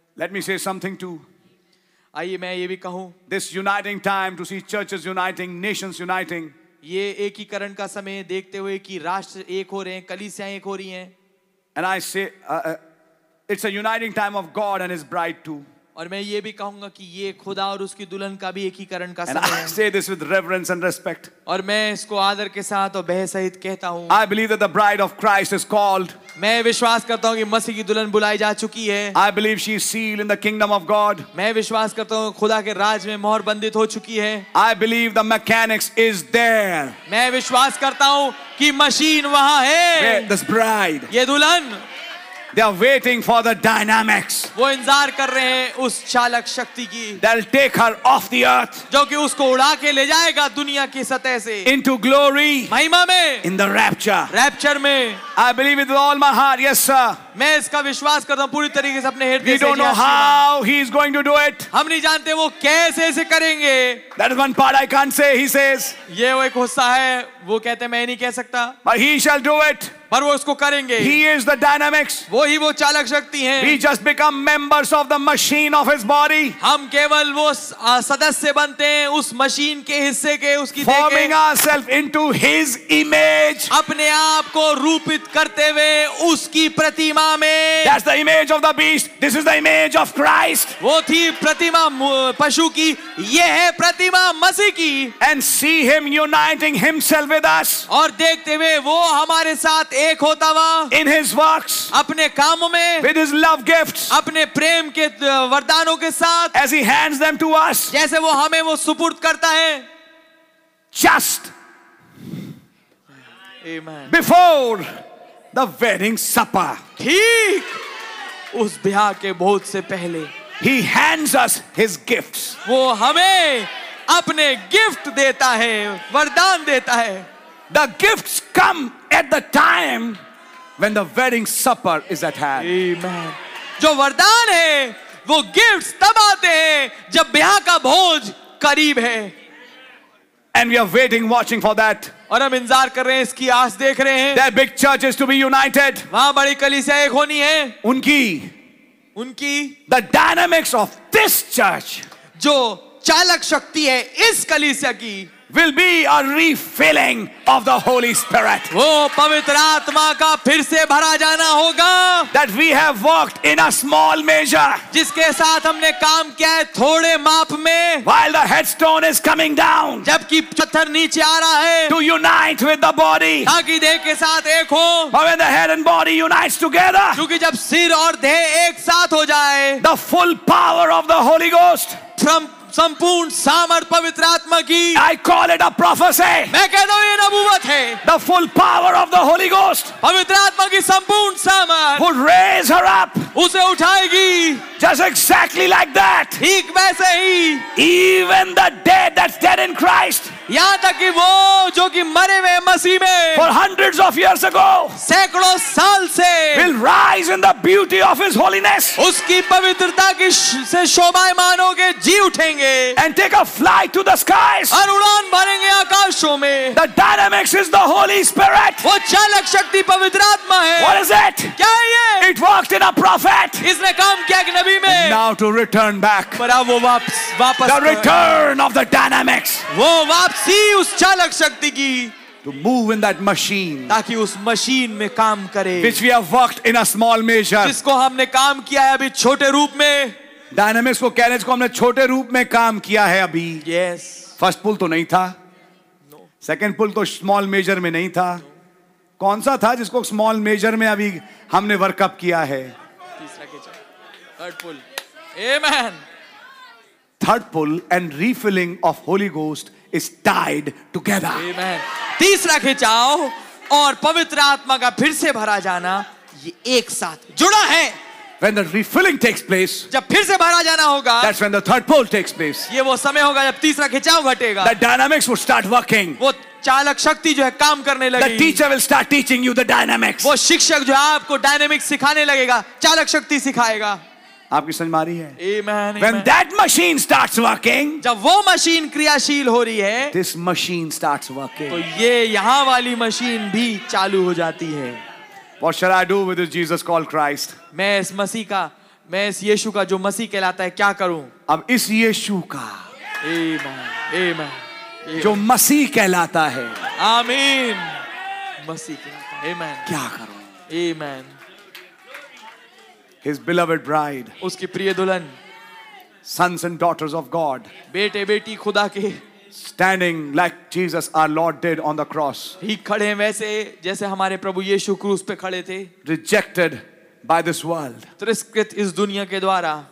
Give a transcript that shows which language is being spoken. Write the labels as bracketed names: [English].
[English] Let me say something too. [Hindi] आइए मैं ये भी कहूँ। [English] This uniting time to see churches uniting, nations uniting. [Hindi] ये एकीकरण का समय देखते हुए कि राष्ट्र एक हो रहे हैं, कलीसियाएं एक हो रही हैं। [English] And I say, it's a uniting time of God and His bride too. [Hindi] और मैं ये भी कहूँगा कि ये खुदा और उसकी दुल्हन का भी एकीकरण का समय है। [English] And I say this with reverence and respect. [Hindi] और मैं इसको आदर के साथ और बहस सहित कहता हूँ। [English] I believe that the bride of Christ is called. [Hindi] मैं विश्वास करता हूँ कि मसीह की दुल्हन बुलाई जा चुकी है। [English] I believe she is sealed in the kingdom of God. [Hindi] मैं विश्वास करता हूँ खुदा के राज में मोहर बंधित हो चुकी है। [English] I believe the mechanics is there. [Hindi] मैं विश्वास करता हूँ कि मशीन वहाँ है। [English] This bride. [Hindi] ये दुल्हन। [English] They are waiting for the dynamics. [Hindi] वो इंतजार कर रहे हैं उस चालक शक्ति की। [English] They'll take her off the earth. [Hindi] जो कि उसको उड़ा के ले जाएगा दुनिया की सतह से। [English] Into glory. [Hindi] महिमा में। [English] In the rapture. [Hindi] Rapture में। [English] I believe it with all my heart. Yes, sir. [Hindi] मैं इसका विश्वास करता हूँ पूरी तरीके से अपने हृदय से। [English] We don't know how he is going to do it. [Hindi] हम नहीं जानते वो कैसे इसे करेंगे। [English] That is one part I can't say. He says. [Hindi] ये वो एक हिस्सा है। वो कहते हैं मैं नहीं कह सकता। [English] But he shall do it. [Hindi] पर वो उसको करेंगे। [English] He is the dynamics. [Hindi] वो ही वो चालक शक्ति है। [English] We just become members of the machine of his body. [Hindi] हम केवल वो सदस्य बनते हैं उस मशीन के हिस्से के, उसकी [English] forming ourselves into his image. [Hindi] अपने आप को रूपित करते हुए उसकी प्रतिमा में। [English] That's the image of the beast. This is the image of Christ. [Hindi] वो थी प्रतिमा पशु की, ये है प्रतिमा मसीह की। [English] And see him uniting himself with us. [Hindi] और देखते हुए वो हमारे साथ एक होता हुआ, [English] in his works, [Hindi] अपने कामों में, [English] with his love gifts, [Hindi] अपने प्रेम के वरदानों के साथ, [English] as he hands them to us, [Hindi] जैसे वो हमें वो सुपुर्द करता है, [English] just amen before the wedding supper, [Hindi] ठीक उस ब्याह के भोज से पहले, [English] he hands us his gifts, [Hindi] वो हमें अपने गिफ्ट देता है, वरदान देता है। [English] The gifts come at the time when the wedding supper is at hand. Amen. [Hindi] जो वरदान है वो gifts तब आते हैं जब ब्याह का भोज करीब है। [English] And we are waiting, watching for that. [Hindi] और हम इंतजार कर रहे हैं, इसकी आस देख रहे हैं। [English] That big church is to be united. [Hindi] वहाँ बड़ी कलीसिया एक होनी है। उनकी, उनकी। [English] The dynamics of this church. [Hindi] जो चालक शक्ति है इस कलीसिया की। [English] Will be a refilling of the Holy Spirit. [Hindi] वो पवित्र आत्मा का फिर से भरा जाना होगा। [English] That we have worked in a small measure. [Hindi] जिसके साथ हमने काम किया है थोड़े माप में। [English] While the headstone is coming down. [Hindi] जबकि पत्थर नीचे आ रहा है। [English] To unite with the body. [Hindi] ताकि देह के साथ एक हो। [English] But when the head and body unites together. [Hindi] क्योंकि जब सिर और देह एक साथ हो जाए। [English] The full power of the Holy Ghost. [Hindi] From संपूर्ण सामर्थ पवित्र आत्मा की। [English] I call it a prophecy. [Hindi] मैं कहता हूँ ये नबूवत है। [English] The full power of the Holy Ghost. [Hindi] पवित्र आत्मा की संपूर्ण सामर्थ। [English] Would raise her up. [Hindi] उसे उठाएगी। [English] Just exactly like that. [Hindi] ठीक वैसे ही। [English] Even the dead that's dead in Christ. [Hindi] यहाँ तक कि वो जो कि मरे हुए मसीह में। [English] For hundreds of years ago. [Hindi] सैकड़ों साल से। [English] Will rise in the beauty of His holiness. [Hindi] उसकी पवित्रता की से शोभायमान होके जी उठे। [English] And take a flight to the skies. [Hindi] और उड़ान भरेंगे आकाशों में। [English] The dynamics is the Holy Spirit. [Hindi] वो चालक शक्ति पवित्र आत्मा है। [English] What is it? [Hindi] क्या है ये? [English] It worked in a prophet. And now to return back. The return of the dynamics. To move in that machine. [Hindi] ताकि उस मशीन में काम करे. [English] Which we have worked in a small measure. [Hindi] जिसको हमने काम किया है अभी छोटे रूप में. Dynamics को कहने को हमने छोटे रूप में काम किया है अभी. [English] Yes. First pull [Hindi] तो नहीं था. [English] No. Second pull [Hindi] तो [English] small measure [Hindi] में नहीं था. [English] No. [Hindi] कौन सा था जिसको [English] small measure [Hindi] में अभी हमने workup किया है? [English] Third pull. Amen. Third pull and refilling of Holy Ghost is tied together. Amen. [Hindi] तीसरा खिंचाव और पवित्र आत्मा का फिर से भरा जाना ये एक साथ जुड़ा है. [English] When the refilling takes place, [Hindi] जब फिर से भरा जाना होगा, [English] that's when the third pull takes place. [Hindi] ये वो समय होगा जब तीसरा खिंचाव घटेगा. [English] The dynamics will start working. [Hindi] वो चालक शक्ति जो है काम करने लगी. [English] The teacher will start teaching you the dynamics. [Hindi] वो शिक्षक जो है आपको डायनेमिक्स सिखाने लगेगा, चालक शक्ति सिखाएगा. आपकी समझ मारी है? [English] Amen, when amen. That machine starts working, [Hindi] जब वो मशीन क्रियाशील हो रही है, [English] this machine starts working. [Hindi] तो ये यहाँ वाली मशीन भी चालू हो जाती है. [English] What shall I do with this Jesus called Christ? [Hindi] मैं इस मसीह का, मैं इस यीशु का जो मसीह कहलाता है, क्या करूं? अब इस यीशु का, [English] amen, amen, [Hindi] जो मसीह कहलाता है, amen, मसीह कहलाता है, amen, क्या करूं? [English] Amen. His beloved bride, [Hindi] उसकी प्रिय दुल्हन, [English] sons and daughters of God, [Hindi] बेटे बेटी खुदा के, [English] standing like Jesus, our Lord did on the cross. [Hindi] ही खड़े हैं वैसे जैसे हमारे प्रभु यीशु क्रूस पे खड़े थे. [English] Rejected by this world. [Hindi] तिरस्कृत इस दुनिया के द्वारा.